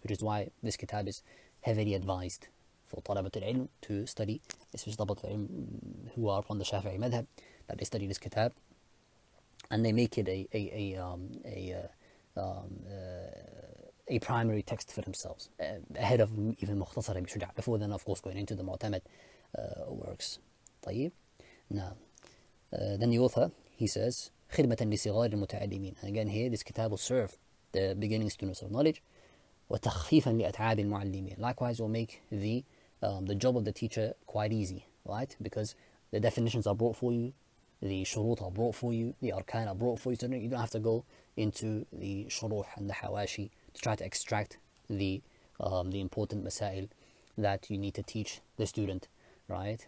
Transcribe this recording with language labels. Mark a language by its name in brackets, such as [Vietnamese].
[English] Which is why this kitab is heavily advised for talabatul ilm to study, especially talabatul ilm who are from the Shafi'i madhab, that they study this kitab, and they make it a primary text for themselves ahead of even Mukhtasar Ibn Shuja, before then, of course, going into the Mu'tamad works. طيب. Now, then the author he says, [Arabic] خدمة لصغار المتعلمين. [English] And again, here this kitab will serve the beginning students of knowledge. [Arabic] وتخفيفا لأتعاب المعلمين. [English] Likewise, will make the job of the teacher quite easy, right? Because the definitions are brought for you, the shurut are brought for you, the arkan are brought for you. So you don't have to go into the shuruh and the hawashi to try to extract the important masail that you need to teach the student, right?